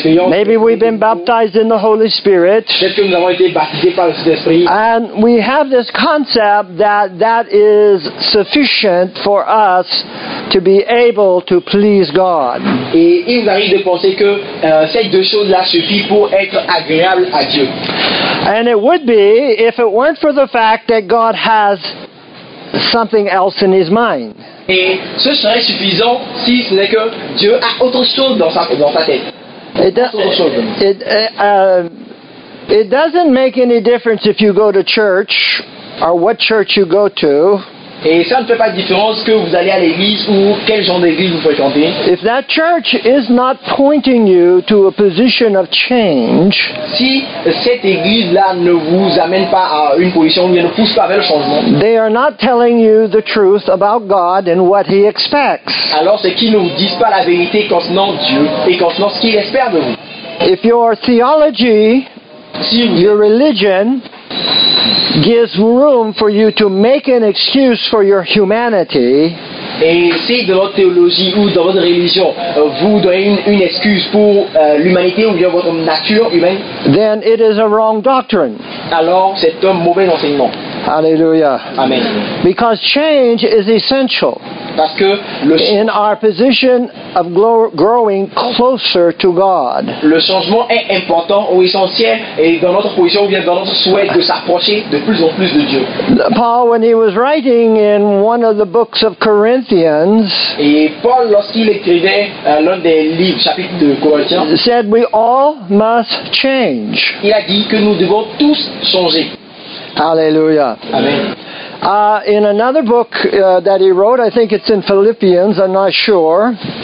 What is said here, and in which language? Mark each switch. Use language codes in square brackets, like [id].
[en] maybe we've been baptized in the Holy Spirit. [fr] Peut-être que nous avons été baptisés par le Saint-Esprit. [en] And we have this concept that is sufficient for us to be able to please God. [fr] Et il nous arrive de penser que ces deux choses-là suffisent pour être agréable à Dieu. [en] And it would be if it weren't for the fact that God has something else in his mind. [fr] Et ce serait suffisant si ce n'est que Dieu a autre chose dans sa tête. [en] It doesn't make any difference if you go to church or what church you go to. [fr] Et ça ne fait pas de différence que vous allez à l'église ou quel genre d'église vous fréquentez. [en] If that church is not pointing you to a position of change, [fr] si cette église-là ne vous amène pas à une position, ne pousse pas vers le changement, [en] they are not telling you the truth about God and what he expects. [fr] Alors c'est qu'ils ne vous disent pas la vérité concernant Dieu et concernant ce qu'il espère de vous. [en] If your theology, [fr] si [en] your religion, gives room for you to make an excuse for your humanity. [fr] Et si dans votre théologie ou dans votre religion vous donnez une excuse pour l'humanité ou bien votre nature humaine, [en] then it is a wrong doctrine. [fr] Alors c'est un mauvais enseignement. Alléluia. Amen. [en] Because change is essential. [fr] Parce que le [en] in our position of growing closer to God. [fr] Le changement est important ou essentiel et dans notre position ou bien dans notre souhait de s'approcher de plus en plus de Dieu. [en] Paul, when he was writing in one of the books of Corinthians, [fr] et Paul lorsqu'il écrivait l'un des livres, chapitre de Corinthiens, [en] said we all must change. [fr] Il a dit que nous devons tous changer. Alléluia. Amen. [en] In another book that he wrote, I think it's in Philippians, I'm not sure.